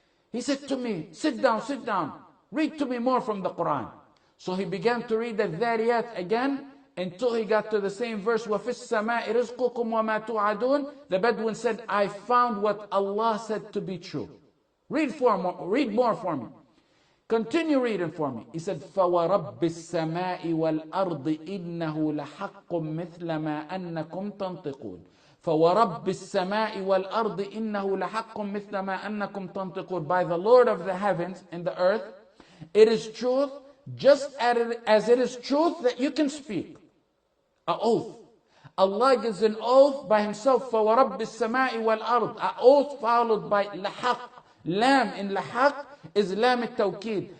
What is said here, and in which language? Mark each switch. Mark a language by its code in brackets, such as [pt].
[en] He said to me, sit down. Read to me more from the Quran. So he began to read the Dhariyat again until he got to the same verse, [ar] وَفِي السَّمَاءِ رِزْقُكُمْ وَمَا تُعَدُونَ. [en] The Bedouin said, I found what Allah said to be true. Read more for me. Continue reading for me. He said, [ar] فَوَرَبِّ السَّمَاءِ وَالْأَرْضِ إِنَّهُ لَحَقٌّ مِثْلَ مَا أَنَّكُمْ تَنْطِقُونَ. فَوَرَبِّ السَّمَاءِ وَالْأَرْضِ إِنَّهُ لَحَقٌّ مِثْلَ مَا أَنَّكُمْ تَنْطِقُونَ. [en] By the Lord of the heavens and the earth, it is truth, just as it is truth that you can speak. An oath. Allah gives an oath by himself. [ar] فَوَرَبِّ السَّمَاءِ وَالْأَرْضِ. [en] An oath followed by لَحَق. Lam in لَحَق is lam التوكيد.